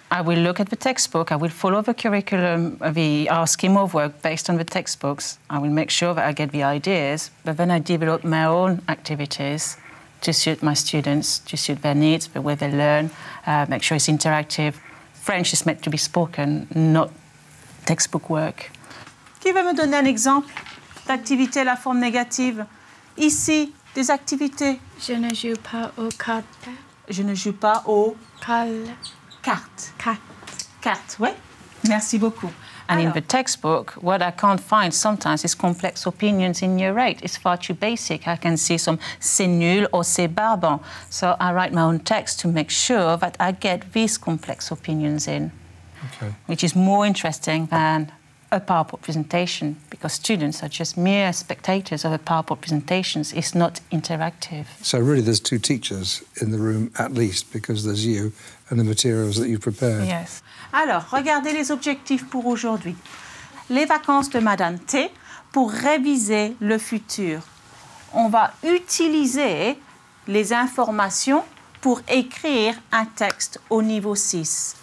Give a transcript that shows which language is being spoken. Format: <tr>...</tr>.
<en>I will look at the textbook, I will follow the curriculum, our scheme of work based on the textbooks. I will make sure that I get the ideas, but then I develop my own activities to suit my students, to suit their needs, the way they learn, make sure it's interactive. French is meant to be spoken, not textbook work.</en> <fr>Qui veut me donner un exemple d'activité à la forme négative? Ici, des activités. Je ne joue pas aux cartes. Je ne joue pas aux... Cartes. Oui. Merci beaucoup.</fr> <en>And in the textbook, what I can't find sometimes is complex opinions in Year 8. It's far too basic. I can see some</en> <fr>c'est nul</fr> <en>or</en> <fr>c'est barbant.</fr> <en>So I write my own text to make sure that I get these complex opinions in. Okay. Which is more interesting than a PowerPoint presentation, because students are just mere spectators of a PowerPoint presentation. It's not interactive. So really there's two teachers in the room, at least, because there's you and the materials that you've prepared. Yes.</en> <fr>Alors, regardez les objectifs pour aujourd'hui. Les vacances de Madame T pour réviser le futur. On va utiliser les informations pour écrire un texte au niveau 6.</fr>